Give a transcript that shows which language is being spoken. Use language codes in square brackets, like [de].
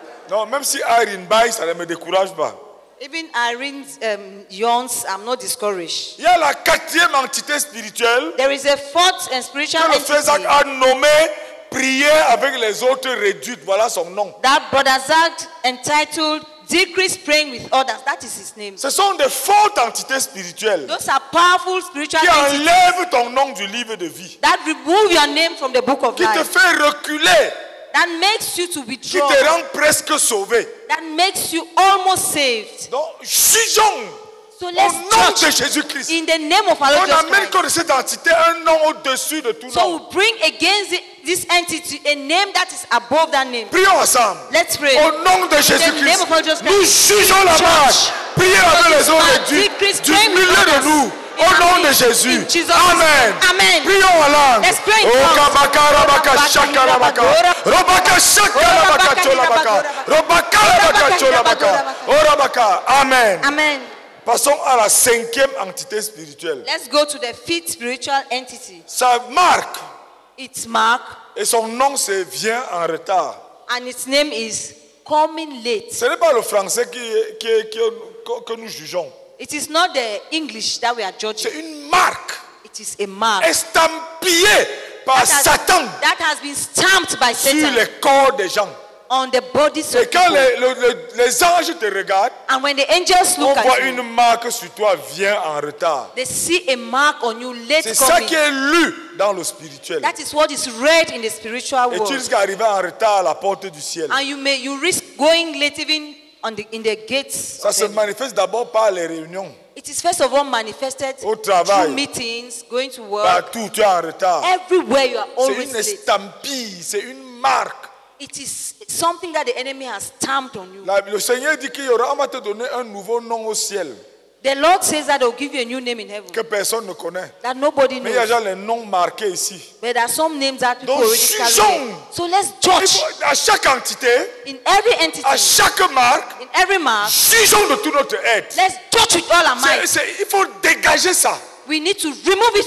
[fr] Non, même si Irene baille, ça ne me décourage pas. [en] Even Irene's yawns, I'm not discouraged. [fr] Il y a la quatrième entité spirituelle. [en] There is a fourth and spiritual entity. [fr] Que le frère a nommé prier avec les autres réduites. Voilà son nom. [en] That brother Zach entitled decrease praying with others. That is his name. [fr] Ce sont des fortes entités spirituelles. [en] Those are powerful spiritual [fr] qui [en] entities. [fr] Qui enlèvent ton nom du livre de vie. [en] That remove your name from the book of [fr] qui [en] life. [fr] Qui te fait reculer. [en] That makes you to withdraw. [fr] Qui te rend presque sauvé. [en] That makes you almost saved. [fr] Donc, jugeons [en] so let's [fr] au nom de Jésus-Christ. [en] In the name of our Lord Jesus. [fr] On amène contre cette entité un nom au-dessus de tout [en] so [fr] nom. [en] So we bring against this entity a name that is above that name. [fr] Prions ensemble. [en] Let's pray. [fr] Au nom de Jésus-Christ. Nous jugeons la marche. Priez avec les autres du milieu de nous. Au nom de Jésus. Amen. Amen. Prions en langue. [en] Let's pray in tongues. Okabaka, rabaka, shaka, rabaka. Robaka, shaka, rabaka, cholabaka. Robaka, rabaka, cholabaka. Orabaka. Amen. Amen. [fr] Passons à la cinquième entité spirituelle. [en] Let's go to the fifth spiritual entity. [fr] Sa marque. [en] Its mark. [fr] Et son nom, c'est vient en retard. [en] And its name is coming late. [fr] Ce n'est pas le français que nous jugeons. [en] It is not the English that we are judging. [fr] C'est une marque. [en] It is a mark. [fr] Estampillé par [en] that has, [fr] Satan. [en] That has been stamped by Satan. [fr] Sur les corps des gens. [en] On the bodies of people. [fr] Et quand les anges te regardent. [en] And when the angels look at you. [fr] On voit une marque sur toi vient en retard. [en] They see a mark on you late coming. [fr] C'est ça qui est lu dans le spirituel. [en] That is what is read in the spiritual world. [fr] Et tu risques d'arriver en retard à la porte du ciel. [en] And you risk going late even. In the gates. [fr] Ça se manifeste d'abord par les réunions. [en] It is first of all manifested [fr] au travail, [en] through meetings, going to work. [fr] Partout, tu es en retard. [en] Everywhere you are always late. [fr] C'est une estampille, c'est une marque. [en] It is something that the enemy has stamped on you. [fr] Le Seigneur dit qu'il y aura, on va te donner un nouveau nom au ciel. [en] The Lord says that he'll give you a new name in heaven. [fr] Que personne ne connaît. [en] That nobody [fr] mais Mais il y a déjà les noms marqués ici. [en] But there are some names that people [fr] donc, [en] already carry. So let's judge. [fr] À chaque entité. [en] In every entity. [fr] À chaque marque. [en] In every mark. [fr] Jugeons de tout notre être. [en] Let's judge with all our might. [fr] Il faut dégager ça. [en] We need to remove it